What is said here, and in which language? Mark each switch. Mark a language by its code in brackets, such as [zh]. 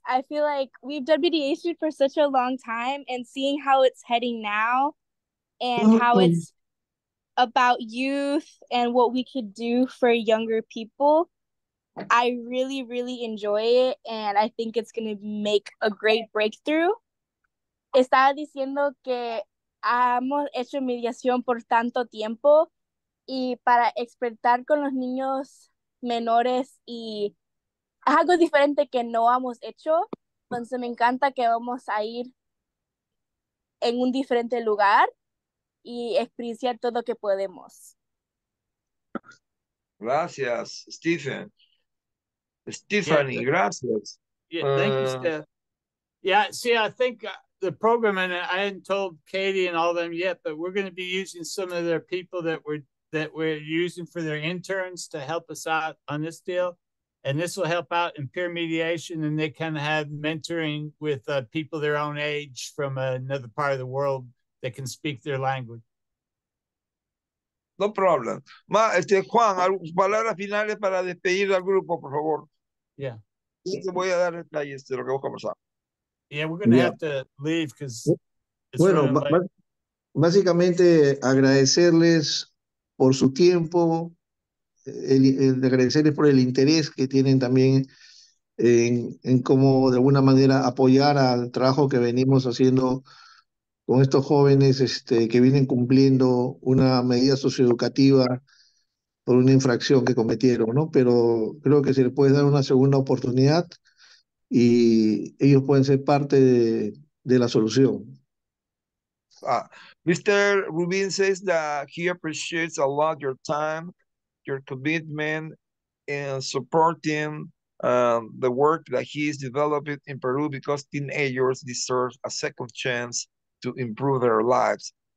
[en] I feel like we've done mediation for such a long time, and seeing how it's heading now and how it's about youth and what we could do for younger people, I really, really enjoy it. And I think it's going to make a great breakthrough. [es] Estaba diciendo que hemos hecho mediación por tanto tiempo y para expertar con los niños menores y es algo diferente que no hemos hecho. Entonces me encanta que vamos a ir en un diferente lugar y experienciar todo lo que podemos. Gracias, Stephen. Stephanie, yeah, gracias. [en] Yeah, thank you, Steph. Yeah, see, I think the program, and I hadn't told Katie and all of them yet, but we're going to be using some of their people that we're using for their interns to help us out on this deal. And this will help out in peer mediation, and they kind of have mentoring with people their own age from another part of the world that can speak their language. No problem. [es] Ma, Juan, palabras finales para despedir al grupo, por favor. [en] Yeah. [es] Sí, te voy a dar detalles de lo que vamos a conversar. [en] Yeah, we're going to have to leave because it's bueno, really late. [es] Básicamente agradecerles por su tiempo, el agradecerles por el interés que tienen también en cómo de alguna manera apoyar al trabajo que venimos haciendo con estos jóvenes que vienen cumpliendo una medida socioeducativa por una infracción que cometieron, ¿no? Pero creo que se les puede dar una segunda oportunidad y ellos pueden ser parte de la solución. [en] Mr. Rubin says that he appreciates a lot your time, your commitment in supporting the work that he is developing in Peru because teenagers deserve a second chance to improve their lives.